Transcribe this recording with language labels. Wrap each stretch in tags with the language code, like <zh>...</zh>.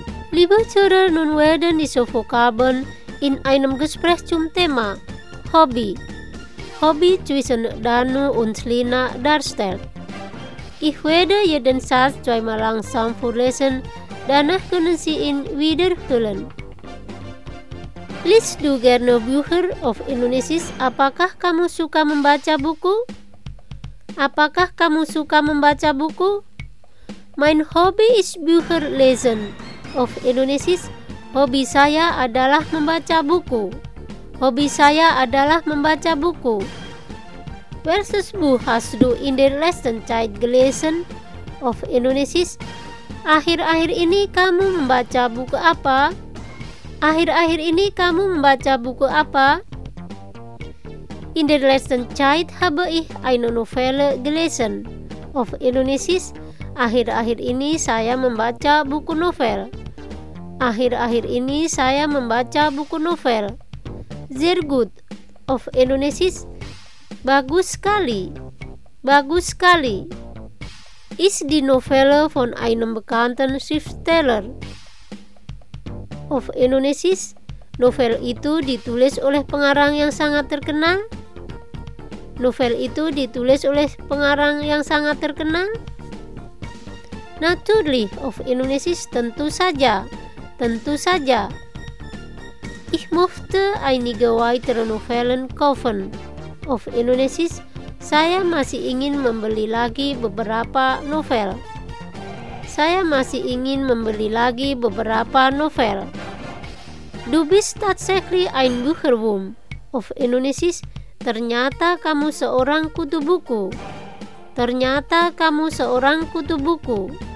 <de>Liebe Zuhörer, nun werden diese Vokabeln in einem Gespräch zum Thema Hobby. Hobby zwischen Danu und Lina darstellt. Ich werde jeden Satz zweimal langsam vorlesen, danach können Sie ihn wiederholen. Liest du gerne Bücher auf Indonesisch?</de> <id>Apakah kamu suka membaca buku? Apakah kamu suka membaca buku?</id> <de>Mein Hobby ist Bücher lesen auf Indonesisch.</de> <id>Hobi saya adalah membaca buku. Hobi saya adalah membaca buku.</id> <de>Welches Buch hast du in der letzten Zeit gelesen? Of Indonesisch.</de> <id>Akhir-akhir ini kamu membaca buku apa? Akhir-akhir ini kamu membaca buku apa?</id> <de>In der letzten Zeit habe ich eine Novelle gelesen. Of Indonesisch.</de> <id>Akhir-akhir ini saya membaca buku novel. Akhir-akhir ini saya membaca buku novel.</id> <de>Sehr gut. Of Indonesisch.</de> <id>Bagus sekali. Bagus sekali.</id> <de>Ist die Novelle von einem bekannten Schriftsteller? Of Indonesisch.</de> <id>Novel itu ditulis oleh pengarang yang sangat terkenal? Novel itu ditulis oleh pengarang yang sangat terkenal?</id> <de>Natürlich of Indonesisch.</de> <id>Tentu saja. Tentu saja.</id> <de>Ich möchte einige weitere Novellen kaufen. Of Indonesisch.</de> <id>Saya masih ingin membeli lagi beberapa novel. Saya masih ingin membeli lagi beberapa novel.</id> <de>Du bist tatsächlich ein Bücherwurm. Of Indonesisch.</de> <id>Ternyata kamu seorang kutu buku. Ternyata kamu seorang kutu buku.</id>